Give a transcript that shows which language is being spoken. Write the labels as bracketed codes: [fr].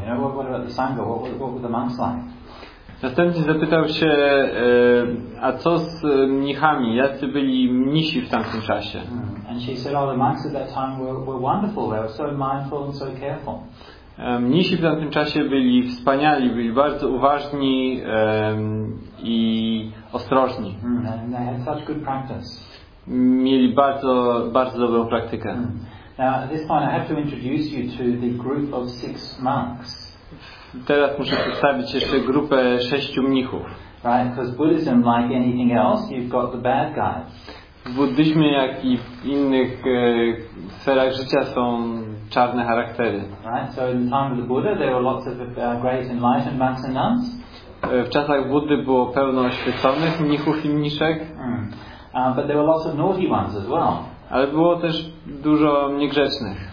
[en] You know, what about the sangha? What were the monks like? [pl] Następnie zapytał się, a co z mnichami? Jacy byli mnisi w tamtym czasie? [en] And she said, "Oh, the monks at that time were wonderful. They were so mindful and so careful." [pl] Mnisi w tamtym czasie byli wspaniali, byli bardzo uważni i ostrożni. [en] And they had such good practice. [pl] Mieli bardzo, bardzo dobrą praktykę. [en] Now, at this point, I have to introduce you to the group of six monks. [pl] Teraz muszę przedstawić jeszcze grupę sześciu mnichów. [en] Right, because Buddhism, like anything else, you've got the bad guys. [pl] W buddyzmie, jak i w innych sferach życia, są czarne charaktery. [en] Right, so in the time of the Buddha, there were lots of great enlightened monks and nuns. [pl] W czasach Buddy było pełno oświeconych mnichów i mniszek. [en] But there were lots of naughty ones as well. [pl] Ale było też dużo niegrzecznych.